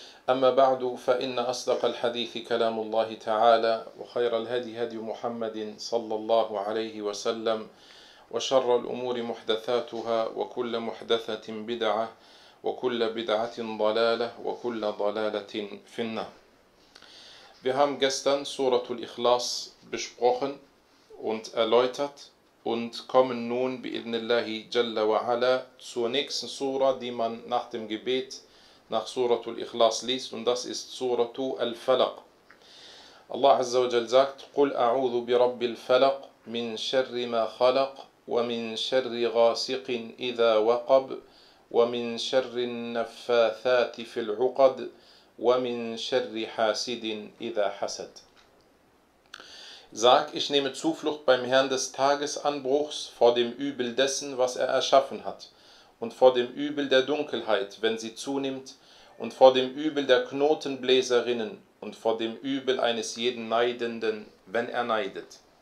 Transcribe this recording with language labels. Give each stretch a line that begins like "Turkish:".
Arabic: أما بعد فإن أصدق الحديث كلام الله تعالى وخير الهدي هدي محمد صلى الله عليه وسلم وشر الأمور محدثاتها وكل محدثة بدعة وكل بدعة ضلالة وكل ضلالة في النار.
German: Wir haben gestern Suratul Ikhlas besprochen und erläutert und kommen nun
Arabic: bi'idhnillahi jalla wa ala
German: zur nächsten Sura, die man nach dem Gebet nach Suratul Ikhlas liest, und das ist Suratu Al-Falaq.
Arabic: Allah Azza wa Jal sagt: قُلْ أَعُوذُ بِرَبِّ الْفَلَقْ مِنْ شَرِّ مَا خَلَقْ وَمِنْ شَرِّ غَاسِقٍ إِذَا وَقَبْ وَمِنْ شَرِّ النَّفَّاثَاتِ فِي الْعُقَدِ وَمِنْ شَرِّ حَاسِدٍ إِذَا حَسَدْ.
German: Sag, ich nehme Zuflucht beim Herrn des Tagesanbruchs vor dem Übel dessen, was er erschaffen hat, und vor dem Übel der Dunkelheit, wenn sie zunimmt, und vor dem Übel der Knotenbläserinnen, und vor dem Übel eines jeden Neidenden, wenn er neidet.